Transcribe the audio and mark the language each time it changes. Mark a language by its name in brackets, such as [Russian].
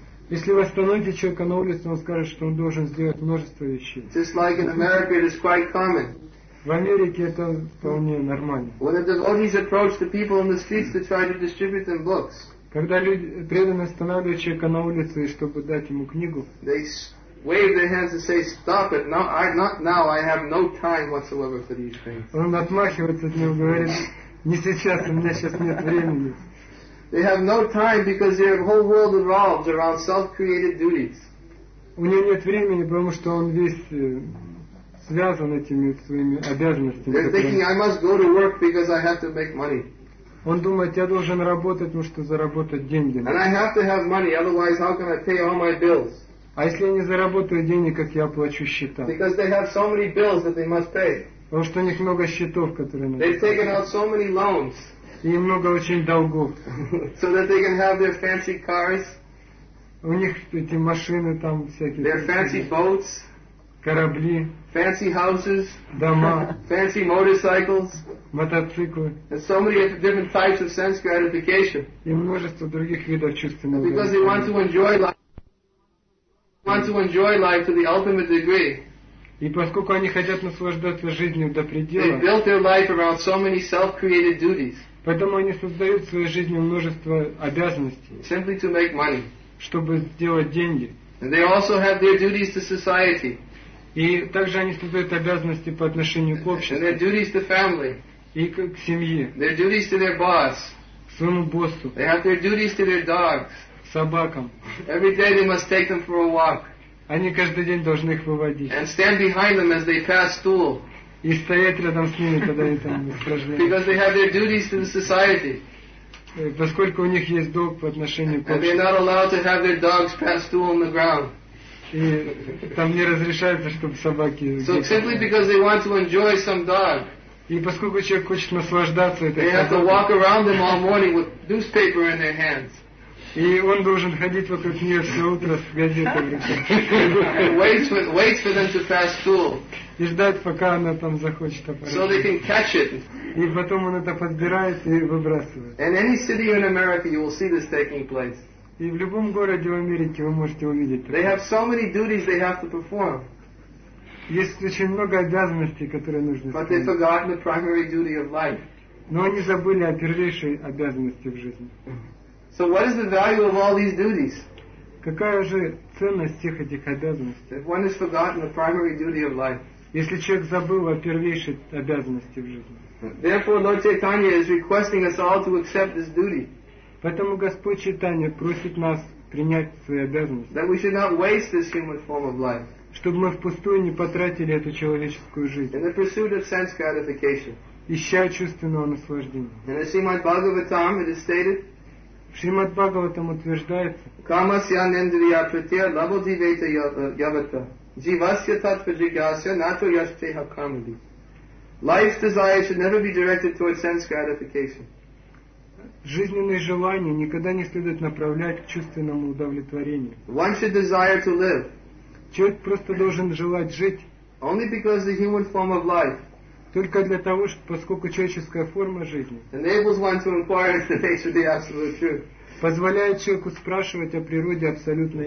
[Russian] Если вы остановите человека на улице, он скажет, что он должен сделать множество вещей. [English] Just like in America, it is quite common. [Russian] В Америке это вполне нормально. Когда люди преданно останавливают человека на улице, и чтобы дать ему книгу, [English] wave their hands and say, stop it, no, I, not now, I have no time whatsoever for these things. [Russian] Он отмахивается от него, говорит, не сейчас, у меня сейчас нет времени. [English] They have no time because their whole world revolves around self-created duties. [Russian] У него нет времени, потому что он весь связан этими своими обязанностями. [English] They're thinking, I must go to work because I have to make money. [Russian] Он думает, я должен работать, потому что заработать деньги. [English] And I have to have money, otherwise how can I pay all my bills? [Russian] А если я не заработаю денег, как я оплачу счета? [English] Because they have so many bills that they must pay. [Russian] Потому что у них много счетов, которые надо. [English] They've taken out so many loans. [Russian] И много очень долгов. [English] So that they can have their fancy cars. [Russian] У них эти машины там всякие. [English] Their fancy boats. [Russian] Корабли. [English] Fancy houses. [Russian] Дома. [English] Fancy motorcycles. [Russian] Мотоциклы. [English] And so many different types of sense gratification. [Russian] И множество других видов чувственного. [English] And because they want to enjoy life. Want to enjoy life to the ultimate degree. [Russian] И поскольку они хотят наслаждаться жизнью до предела. [English] They built their life around so many self-created duties. [Russian] Поэтому они создают в своей жизни множество обязанностей. [English] Simply to make money. [Russian] Чтобы сделать деньги. [English] And they also have their duties to society. [Russian] И также они создают обязанности по отношению к обществу. [English] And their duties to family. [Russian] И к семье. [English] Their duties to their boss. [Russian] К своему боссу. [English] They have their duties to their dogs. [Russian] Собакам. [English] Every day they must take them for a walk. [Russian] Они каждый день должны их выводить. [English] And stand behind them as they pass stool. [Russian] И стоять рядом с ними, когда они там испражняются. [English] Because they have their duties to the society. [Russian] Поскольку у них есть долг по отношению к обществу. [English] And they're not allowed to have their dogs pass stool on the ground. [Russian] И там не разрешается, чтобы собаки. [English] So simply because they want to enjoy some dog. [Russian] И поскольку человек хочет наслаждаться этой. [English] They have to walk around them all morning with newspaper in their hands. [Russian] И он должен ходить вокруг нее все утро с газетой. [English] Wait for them to pass school. [Russian] И ждать, пока она там захочет опорожнить. [English] So they can catch it. [Russian] И потом он это подбирает и выбрасывает. [English] In any city in America, you will see this taking place. [Russian] И в любом городе в Америке вы можете увидеть это. [English] They have so many duties they have to perform. [Russian] Есть очень много обязанностей, которые нужно исполнить. [English] But they've forgotten the primary duty of life. [Russian] Но они забыли о первейшей обязанности в жизни. [English] So what is the value of all these duties? [Russian] Какая же ценность всех этих обязанностей? [English] If one has forgotten the primary duty of life. [Russian] Если человек забыл о первейшей обязанности в жизни. [English] Therefore, Lord Chaitanya is requesting us all to accept this duty. [Russian] Поэтому Господь Чайтанья просит нас принять свои обязанности. [English] That we should not waste this human form of life. [Russian] Чтобы мы впустую не потратили эту человеческую жизнь. [English] In the pursuit of sense gratification. [Russian] Ища чувственного наслаждения. [English] In the Srimad Bhagavatam it is stated. [Russian] Шримад Бхагаватам утверждается. [Sanskrit] Камасья нендрия притя лабодивейта явата. Дживасья татпаджигасья нато яштеха камади. [English] Life's desire should never be directed towards sense gratification. [Russian] Жизненные желания никогда не следует направлять к чувственному удовлетворению. [English] One should desire to live. [Russian] Человек просто должен желать жить. [English] Only because the human form of life. [Russian] Только для того, что, поскольку человеческая форма жизни [English] enables one to inquire into the nature of the absolute truth. [Russian] Позволяет человеку спрашивать о природе абсолютной